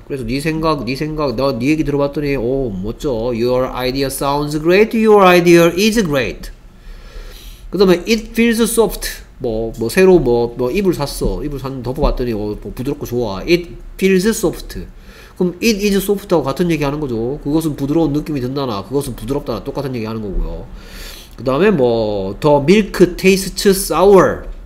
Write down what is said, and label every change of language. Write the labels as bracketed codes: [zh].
[ko] 그래서 네 생각 너 네 얘기 들어봤더니 오 멋져. [en] your idea sounds great, your idea is great. [ko] 그 다음에 [en] it feels soft. [ko] 새로 이불 샀어. 이불 샀는데 덮어봤더니 부드럽고 좋아. [en] it feels soft. [ko] 그럼 [en] it is soft [ko] 하고 같은 얘기 하는 거죠. 그것은 부드러운 느낌이 든다나 그것은 부드럽다나 똑같은 얘기 하는 거고요. 그 다음에 [en] the milk tastes sour.